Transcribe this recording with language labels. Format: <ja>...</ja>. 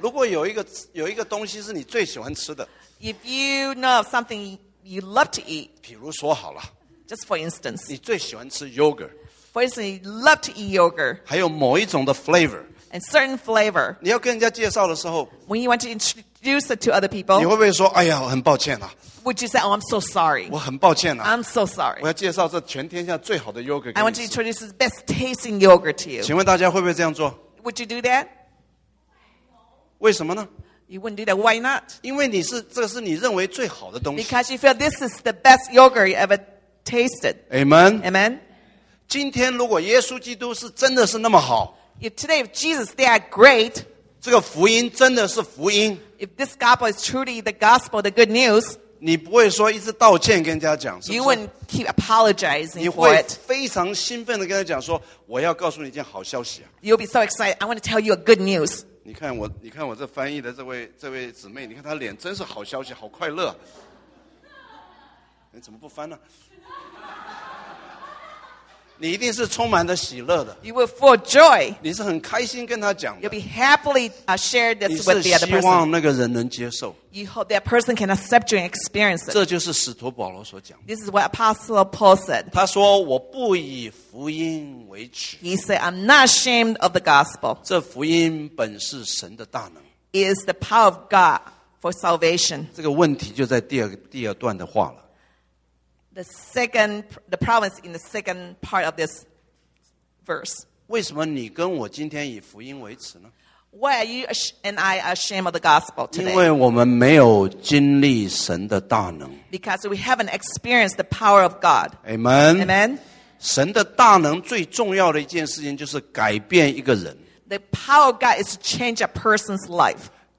<zh>如果有一个东西是你最喜欢吃的,</zh> <en>if you know something you love to eat.</en> <zh>比如说好了,</zh> <en>just for instance.</en> <zh>你最喜欢吃 yogurt.</zh> <en>For instance, you love to eat yogurt.</en> <zh>还有某一种的 flavor.</zh> <en>And certain flavor.</en> <zh>你要跟人家介绍的时候,</zh> <en>when you want to introduce it to other people,</en> <zh>你会不会说, 哎呀,很抱歉啊,</zh> <en>would you say, oh, I'm so sorry.</en> <zh>我很抱歉啊,</zh> <en>I'm so sorry.</en> <zh>我要介绍这全天下最好的 yogurt 给你吃。</zh> <en>I want to introduce the best tasting yogurt to you.</en> <zh>请问大家会不会这样做?</zh> <en>Would you do that?</en> <zh>为什么呢?</zh> <en>You wouldn't do that. Why not?</en> <zh>因为你是, 这是你认为最好的东西。</zh> <en>Because you feel this is the best yogurt you ever tasted. Amen. Amen.</en> <zh>今天如果耶稣基督是真的是那么好,</zh> <en>if today, if Jesus, they are great,</en> <zh>这个福音真的是福音,</zh> <en>if this gospel is truly the gospel, the good news,</en> <zh>你不会说一直道歉跟人家讲, 是不是?</zh> <en>You wouldn't keep apologizing for it.</en> <zh>你会非常兴奋地跟他讲说, 我要告诉你一件好消息,</zh> <en>you'll be so excited, I want to tell you a good news.</en> <zh>你看我, 你看我这翻译的这位, 这位姊妹, 你看她脸真是好消息, 好快乐, 你怎么不翻呢? 你一定是充满着喜乐的,</zh> <en>you will feel joy.</en> <zh>你是很开心跟他讲的,</zh> <en>you'll be happily shared this with the other person.</en> <zh>你是希望那个人能接受,</zh> <en>you hope that person can accept you and experience it.</en> <zh>这就是使徒保罗所讲的,</zh> <en>this is what Apostle Paul said.</en> <zh>他说我不以福音为耻,</zh> <en>he said I'm not ashamed of the gospel.</en> <zh>这福音本是神的大能,</zh> <en>it is the power of God for salvation.</en> <zh>这个问题就在第二段的话了,</zh> <en>the problem is in the second part of this verse.</en> <zh>为什么你跟我今天以福音为耻呢?</zh> <en>Why are you and I ashamed of the gospel today?</en> <zh>因为我们没有经历神的大能。</zh> <en>Because we haven't experienced the power of God. Amen. Amen.</en> <zh>神的大能最重要的一件事情就是改变一个人。</zh> <en>The power of God is to change a person's life.</en>